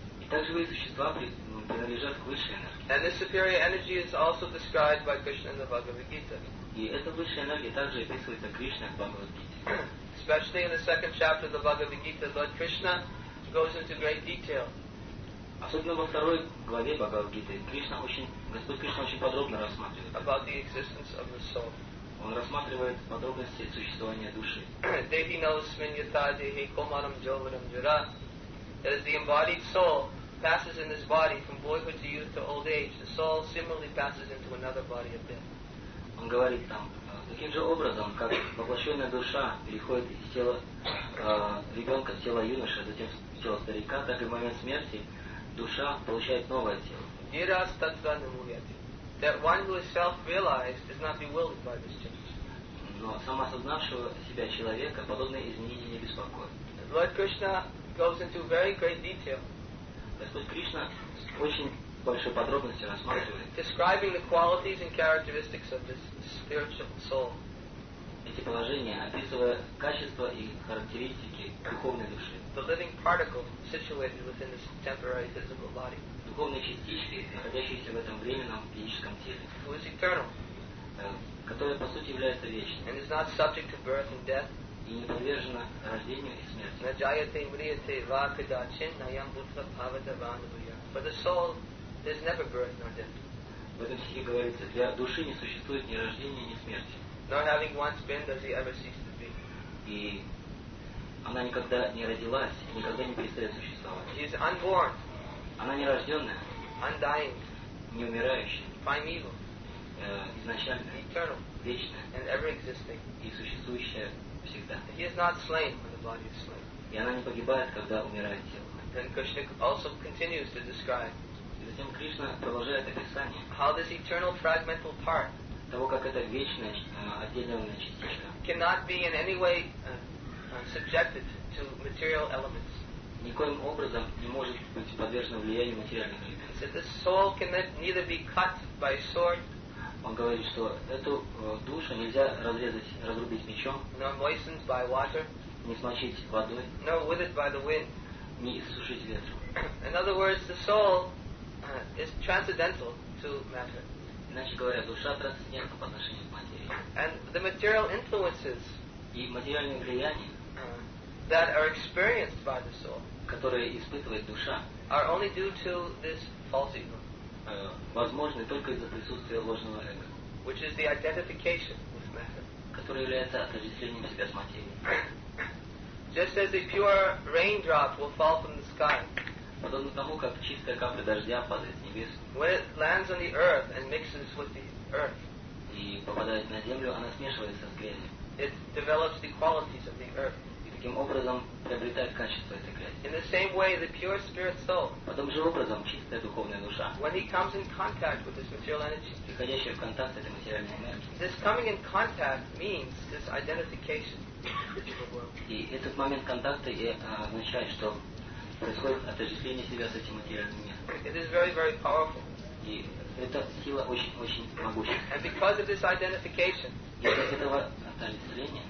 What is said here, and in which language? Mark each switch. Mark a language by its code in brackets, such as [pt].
[ru] И также живые существа принадлежат к высшей энергии. [en] And the superior energy is also described by Krishna in the Bhagavad Gita. [ru] И эта высшая энергия также описывается Кришной в Бхагавад Гите. [en] Especially in the second chapter of the Bhagavad Gita, Lord Krishna goes into great detail. [ru] Особенно во второй главе Бхагавад Гиты Господь Кришна очень подробно рассматривает [en] about the existence of the soul. [ru] Он рассматривает подробности существования души. [sa] Devi nasminyata dehi komaram jovaram jara. [en] That is, the embodied soul passes in this body from boyhood to youth to old age. The soul similarly passes into another body of death. [ru] Он говорит там, таким же образом, как воплощенная душа переходит из тела ребенка в тело юноши, а затем в тело старика, так и в момент смерти душа получает новое тело. [sa] Yiras tatva namuyati. [en] That one who is self-realized is not bewildered by this change. [ru] Но самоосознавшего себя человека подобные изменения не беспокоят. [en] Lord Krishna goes into very great detail. [ru] Господь Кришна очень большой подробности рассматривает. [en] Describing the qualities and characteristics of this spiritual soul. [ru] Эти положения, описывая качества и характеристики духовной души. [en] The living particle situated within this temporary physical body. [ru] Духовные частички, находящиеся в этом временном физическом теле. [en] Who is eternal. [ru] Которая, по сути, является вечной. [en] And is not subject to birth and death. [ru] И не подвержена рождению и смерти. [sa] Наджаяте мриете вакадачин наям бутва павата вандабуя. [en] For the soul, there is never birth nor death. [ru] В этом стихе говорится, для души не существует ни рождения, ни смерти. [en] Nor having once been, does he ever cease to be. [ru] И она никогда не родилась и никогда не перестает существовать. [en] He is unborn. [ru] Она нерожденная. [en] Undying. [ru] Не умирающая. [en] Primeval. [ru] Изначальная. [en] Eternal. [ru] Вечная. [en] And ever existing. [ru] И существующая всегда. [en] He is not slain when the body is slain. [ru] И она не погибает, когда умирает тело. [en] Then Krishna also continues to describe. [ru] И затем Кришна продолжает описание. [en] How this eternal fragmental part. [ru] Того, как эта вечная отделенная частичка. [en] Cannot be in any way subjected to material elements. [ru] Никоим образом не может быть подвержена влиянию материальных элементов. [en] So the soul cannot neither be cut by sword. [ru] Он говорит, что эту душу нельзя разрубить мечом. [en] Nor moistened by water. [ru] Не смочить водой. [en] Nor withered by the wind. [ru] Не иссушить ветром. [en] In other words, the soul is transcendental to matter. [ru] Иначе говоря, душа трансцендентна по отношению к материи. [en] And the material influences. [ru] И материальные влияния. [en] That are experienced by the soul, [ru] которые испытывает душа, [en] are only due to this false ego, [ru] возможны только из-за присутствия ложного эго, [en] which is the identification with matter, [ru] который является отождествлением себя с материей. [en] Just as a pure raindrop will fall from the sky, [ru] подобно тому, как чистая капля дождя падает с небес, [en] when it lands on the earth and mixes with the earth, [ru] и попадает на землю, она смешивается с грязью, [en] it develops the qualities of the earth. [ru] Таким образом приобретает качество этой грязи. [en] In the same way, the pure spirit soul, [ru] потом же образом чистая духовная душа, [en] when he comes in contact with this material energy, [ru] приходящая в контакт с этой материальной энергией, [en] this coming in contact means this identification with the world. [ru] И этот момент контакта означает, что происходит отождествление себя с этим материальным миром. [en] It is very, very powerful. [ru] И эта сила очень, очень могущественна. [en] And because of this identification, [ru] из-за этого отождествления,